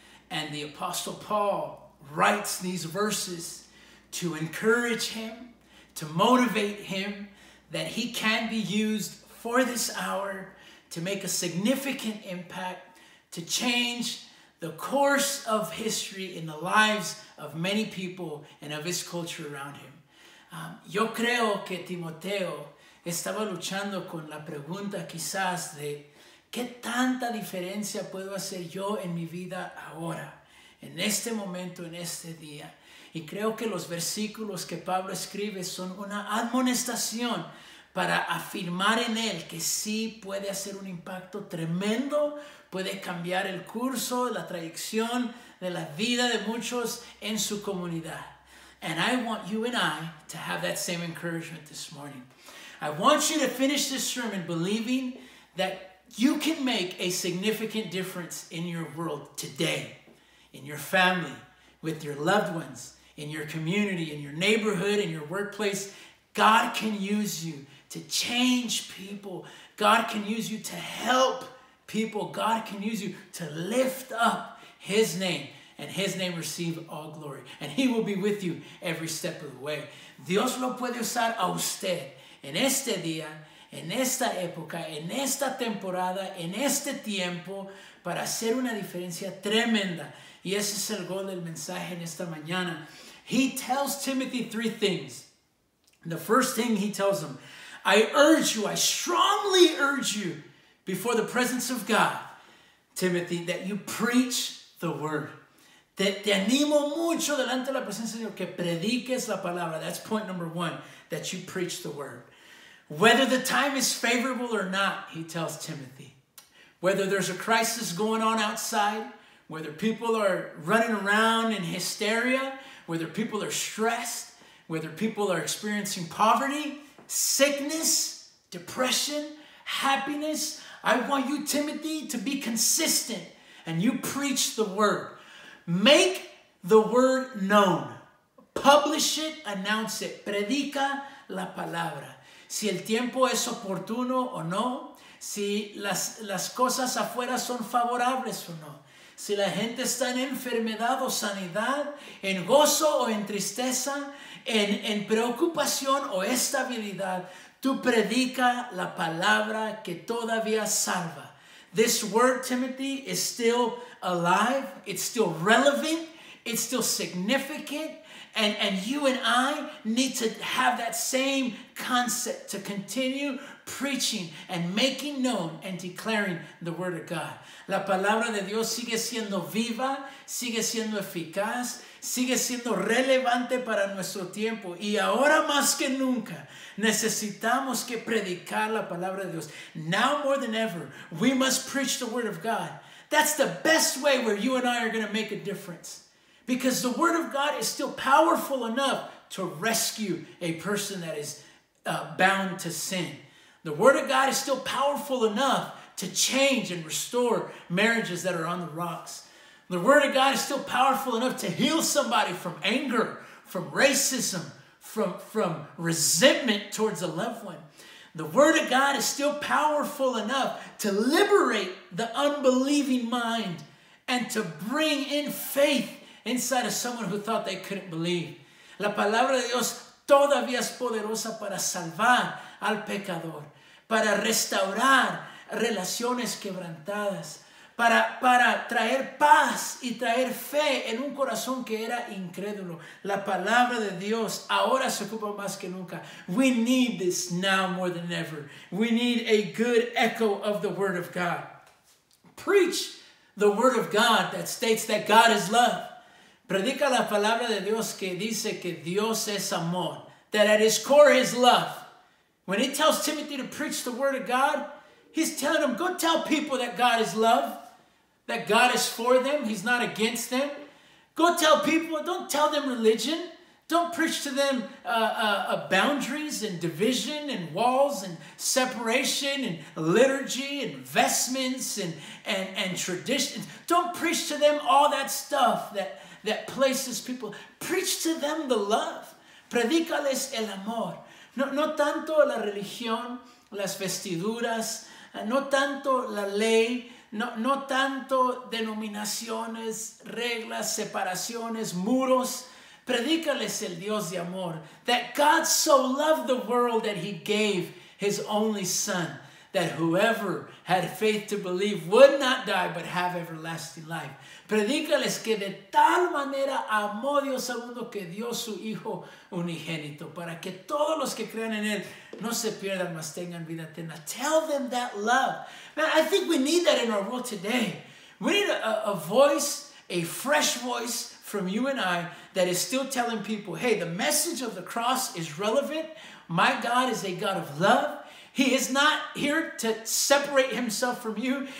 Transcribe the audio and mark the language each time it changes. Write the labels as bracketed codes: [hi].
[en] And the Apostle Paul writes these verses to encourage him, to motivate him, that he can be used for this hour to make a significant impact, to change the course of history in the lives of many people and of his culture around him. [es] Yo creo que Timoteo estaba luchando con la pregunta quizás de ¿Qué tanta diferencia puedo hacer yo en mi vida ahora, en este momento, en este día? Y creo que los versículos que Pablo escribe son una admonestación para afirmar en él que sí puede hacer un impacto tremendo, puede cambiar el curso, la trayección de la vida de muchos en su comunidad. [en] And I want you and I to have that same encouragement this morning. I want you to finish this sermon believing that you can make a significant difference in your world today, in your family, with your loved ones, in your community, in your neighborhood, in your workplace. God can use you to change people. God can use you to help people. God can use you to lift up His name, and His name receive all glory. And He will be with you every step of the way. [es] Dios lo puede usar a usted en este día, en esta época, en esta temporada, en este tiempo, para hacer una diferencia tremenda. Y ese es el gol del mensaje en esta mañana. [en] He tells Timothy three things. The first thing he tells him, I urge you, I strongly urge you before the presence of God, Timothy, that you preach the word. [es] Te animo mucho delante de la presencia de Dios que prediques la palabra. [en] That's point number one, that you preach the word. Whether the time is favorable or not, he tells Timothy. Whether there's a crisis going on outside, whether people are running around in hysteria, whether people are stressed, whether people are experiencing poverty, sickness, depression, happiness, I want you, Timothy, to be consistent and you preach the word. Make the word known. Publish it, announce it. [es] Predica la palabra. Si el tiempo es oportuno o no, si las cosas afuera son favorables o no, si la gente está en enfermedad o sanidad, en gozo o en tristeza, en preocupación o estabilidad, tú predica la palabra que todavía salva. [en] This word, Timothy, is still alive, it's still relevant, it's still significant. And you and I need to have that same concept to continue preaching and making known and declaring the word of God. [es] La palabra de Dios sigue siendo viva, sigue siendo eficaz, sigue siendo relevante para nuestro tiempo. Y ahora más que nunca, necesitamos que predicar la palabra de Dios. [en] Now more than ever, we must preach the word of God. That's the best way where you and I are going to make a difference. Because the word of God is still powerful enough to rescue a person that is bound to sin. The word of God is still powerful enough to change and restore marriages that are on the rocks. The word of God is still powerful enough to heal somebody from anger, from racism, from resentment towards a loved one. The word of God is still powerful enough to liberate the unbelieving mind and to bring in faith inside of someone who thought they couldn't believe. [es] La palabra de Dios todavía es poderosa para salvar al pecador, para restaurar relaciones quebrantadas, para traer paz y traer fe en un corazón que era incrédulo. La palabra de Dios ahora se ocupa más que nunca. [en] We need this now more than ever. We need a good echo of the word of God. Preach the word of God that states that God is love. [es] Predica la palabra de Dios que dice que Dios es amor. [en] That at his core is love. When he tells Timothy to preach the word of God, he's telling him, go tell people that God is love. That God is for them. He's not against them. Go tell people. Don't tell them religion. Don't preach to them boundaries and division and walls and separation and liturgy and vestments and traditions. Don't preach to them all that stuff that places people. Preach to them the love. [es] Predícales el amor. No tanto la religión, las vestiduras, no tanto la ley, no tanto denominaciones, reglas, separaciones, muros. Predícales el Dios de amor. [en] That God so loved the world that he gave his only son, that whoever had faith to believe would not die but have everlasting life. [es] Predícales que de tal manera amó Dios al mundo que dio su Hijo unigénito para que todos los que crean en Él no se pierdan, mas tengan vida eterna. [en] Tell them that love. Man, I think we need that in our world today. We need a voice, a fresh voice from you and I that is still telling people, hey, the message of the cross is relevant. My God is a God of love. He is not here to separate himself from you.